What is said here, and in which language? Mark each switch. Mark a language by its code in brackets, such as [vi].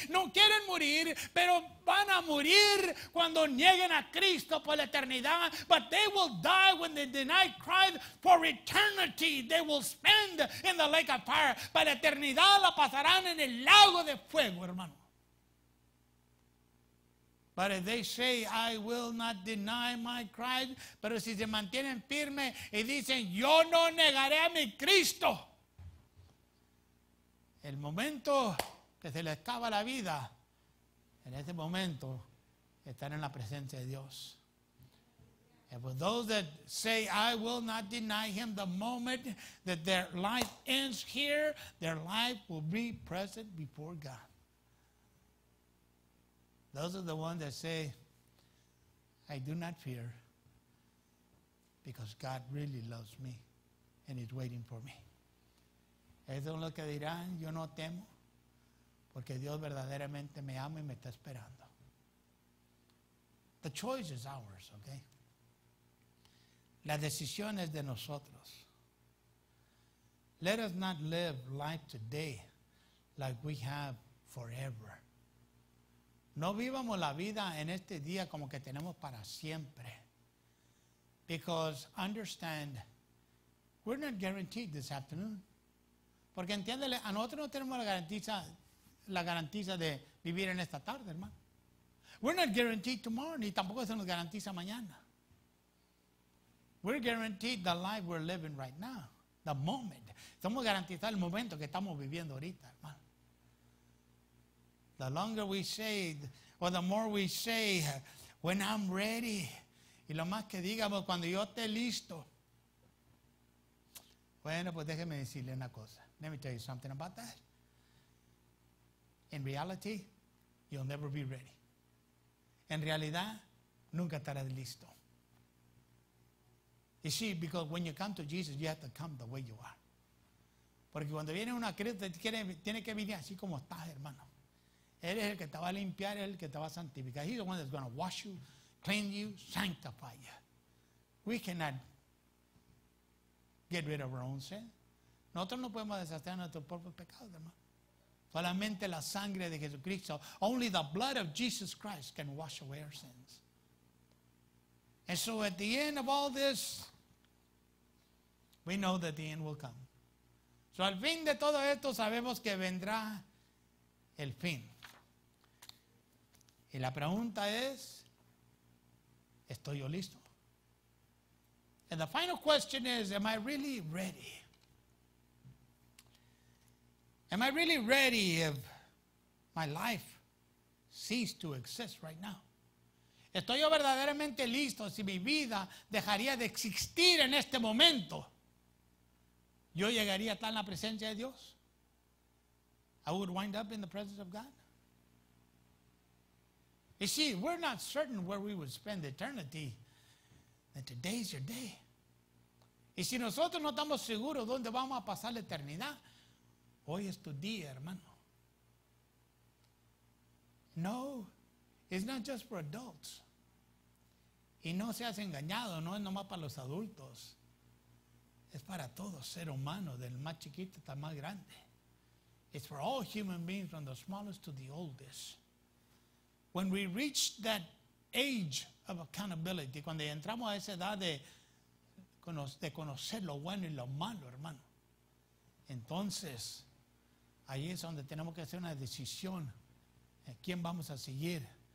[es] No quieren morir, pero van a morir cuando nieguen a Cristo por la eternidad. [en] But they will die when they deny Christ for eternity. They will spend in the lake of fire. [es] Para la eternidad la pasarán en el lago de fuego, hermano. [en] But if they say, I will not deny my Christ, [es] pero si se mantienen firme y dicen, yo no negaré a mi Cristo, el momento que se les acaba la vida, en ese momento están en la presencia de Dios. [en] And for those that say, I will not deny him, the moment that their life ends here, their life will be present before God. Those are the ones that say, I do not fear, because God really loves me and is waiting for me. [es] Eso es lo que dirán, yo no temo, porque Dios verdaderamente me ama y me está esperando. [en] The choice is ours, okay? [es] La decisión es de nosotros. [en] Let us not live life today like we have forever. [es] No vivamos la vida en este día como que tenemos para siempre. [en] Because understand, we're not guaranteed this afternoon. [es] Porque entiéndele, a nosotros no tenemos la garantiza de vivir en esta tarde, hermano. [en] We're not guaranteed tomorrow, [es] ni tampoco se nos garantiza mañana. [en] We're guaranteed the life we're living right now, the moment. [es] Somos garantizados el momento que estamos viviendo ahorita, hermano. [en] The longer we say, or the more we say, when I'm ready, [es] y lo más que digamos, cuando yo esté listo. Bueno, pues déjeme decirle una cosa. [en] Let me tell you something about that. In reality, you'll never be ready. [es] En realidad, nunca estarás listo. [en] You see, because when you come to Jesus, you have to come the way you are. [es] Porque cuando viene una Cristo, tiene que venir así como estás, hermano. Él es el que te va a limpiar, él es el que te va a santificar. [en] He's the one that's going to wash you, clean you, sanctify you. We cannot get rid of our own sin. [es] Nosotros no podemos deshacer nuestros propios pecados, hermano. Solamente la sangre de Jesucristo. [en] Only the blood of Jesus Christ can wash away our sins. And so at the end of all this, we know that the end will come. [es] So al fin de todo esto, sabemos que vendrá el fin. Y la pregunta es, ¿estoy yo listo? [en] And the final question is, am I really ready? Am I really ready if my life ceases to exist right now? [es] ¿Estoy yo verdaderamente listo si mi vida dejaría de existir en este momento? ¿Yo llegaría a estar en la presencia de Dios? [en] I would wind up in the presence of God. You see, we're not certain where we would spend eternity. That today's your day. [es] Y si nosotros no estamos seguros dónde vamos a pasar la eternidad, hoy es tu día, hermano. [en] No, it's not just for adults. [es] Y no seas engañado, no es nomás para los adultos. Es para todo ser humano, del más chiquito hasta más grande. [en] It's for all human beings, from the smallest to the oldest. When we reach that age of accountability, [es] cuando entramos a esa edad de conocer lo bueno y lo malo, hermano, entonces ahí es donde tenemos que hacer una decisión de quién vamos a seguir.